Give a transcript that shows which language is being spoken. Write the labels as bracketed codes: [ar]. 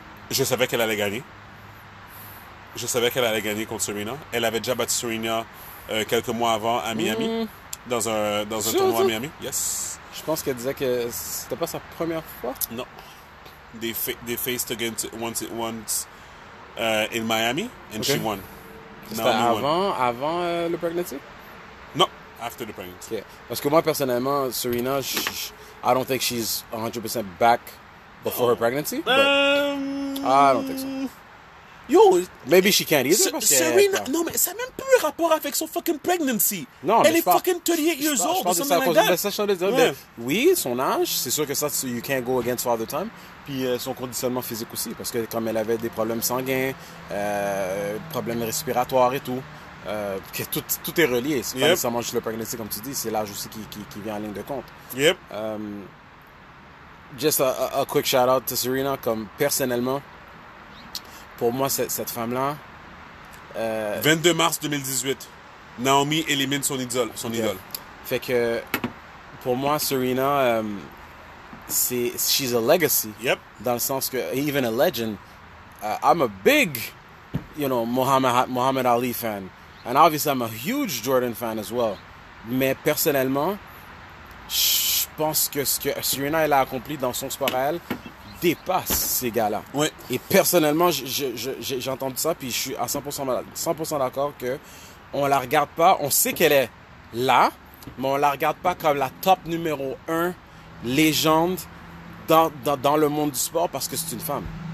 [fr] Je savais qu'elle allait gagner. Je savais qu'elle allait gagner contre Serena. Elle avait déjà battu Serena quelques mois avant à Miami, dans un tournoi à Miami. [en] Yes. [fr] Je pense qu'elle disait que c'était pas sa première fois. Non. [en] They faced against once in Miami, and okay. She won. [fr] C'était avant le pregnancy? [en] Non, after the pregnancy. Okay. [fr] Parce que moi, personnellement, [en] Serena, I don't think she's 100% back before her pregnancy. I don't think so. Yo, maybe she can't either. [fr] Serena, non, mais ça n'a même plus rapport avec son fucking pregnancy. Non, elle est fucking [en] 38 years old. [fr] Je pense que ça a causé ça, je veux dire. Yeah. Oui, son âge, c'est sûr que ça, [en] you can't go against father time. [fr] Puis son conditionnement physique aussi, parce que comme elle avait des problèmes sanguins, problèmes respiratoires et tout, que tout est relié. C'est pas [en] yep. [fr] Nécessairement juste le pregnancy, comme tu dis, c'est l'âge aussi qui vient en ligne de compte. [en] Yep. Just a quick shout out to Serena. [fr] Comme personnellement, pour moi, cette femme-là. 22 mars 2018, Naomi élimine son idole. Son idole. Fait que pour moi, Serena, [en] she's a legacy. Yep. [fr] Dans le sens que, [en] even a legend. I'm a big, you know, Muhammad Ali fan. And obviously, I'm a huge Jordan fan as well. [fr] Mais personnellement, je pense que ce que Serena elle a accompli dans son sport à elle dépasse ces gars-là. Oui. Et personnellement, j'ai entendu ça, puis je suis à 100% d'accord qu'on ne la regarde pas. On sait qu'elle est là, mais on ne la regarde pas comme la top numéro 1 légende dans le monde du sport parce que c'est une femme.